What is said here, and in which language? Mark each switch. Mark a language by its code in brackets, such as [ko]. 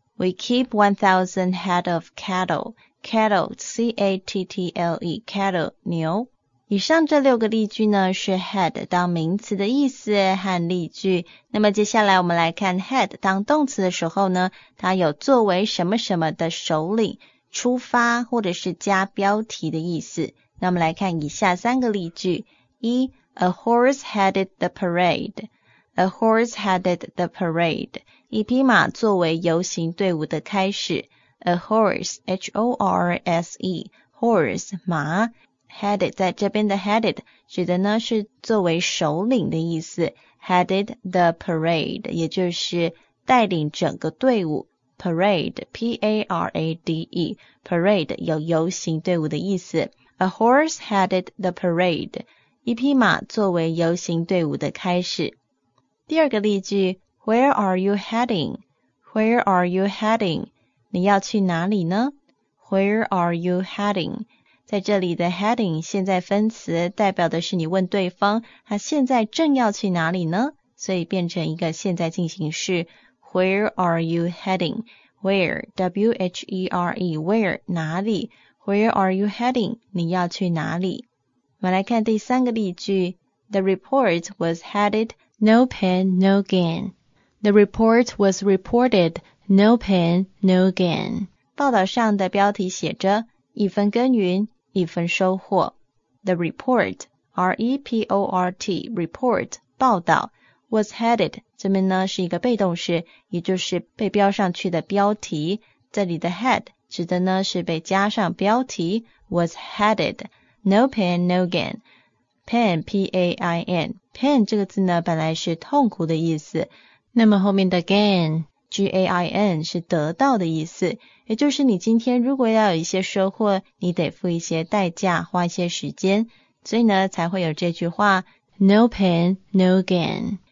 [en] We keep 1,000 head of cattle. Cattle, C-A-T-T-L-E, cattle, [zh] 牛。以上这六个例句呢是 head 当名词的意思和例句。那么接下来我们来看 head 当动词的时候呢，它有作为什么什么的首领、出发或者是加标题的意思。那我们来看以下三个例句。一， [en] A horse headed the parade. A horse headed the parade. [zh] 一匹马作为游行队伍的开始。 [en] A horse, H-O-R-S-E, horse, [zh] 马。 Headed, 在这边的 headed, 指的呢是作为首领的意思。 [en] Headed the parade, [zh] 也就是带领整个队伍。 Parade, P-A-R-A-D-E, parade, 有游行队伍的意思。 [en] A horse headed the parade, [zh] 一匹马作为游行队伍的开始。第二个例句， [en] Where are you heading? Where are you heading? [zh] 你要去哪里呢？ [en] Where are you heading? [zh] 在这里的 heading 现在分词代表的是你问对方他现在正要去哪里呢，所以变成一个现在进行式 [en] Where are you heading? Where, W-H-E-R-E, where, [zh] 哪里 [en] Where are you heading? [zh] 你要去哪里。我们来看第三个例句， [en] The report was headed No pain, no gain. The report was reported No pain, no gain. [zh] 报道上的标题写着一分耕耘一分收获。 [en] The report, R-E-P-O-R-T, report, [zh] 报道 [en] was headed, [zh] 这边呢是一个被动式，也就是被标上去的标题。这里的 head, 指的呢是被加上标题 [en] was headed, no pain, no gain. Pain, P-A-I-N, pain [zh] 这个字呢本来是痛苦的意思。那么后面的 gain,G-A-I-N 是得到的意思，也就是你今天如果要有一些收获，你得付一些代价，花一些时间，所以呢才会有这句话 [en] No pain, no gain。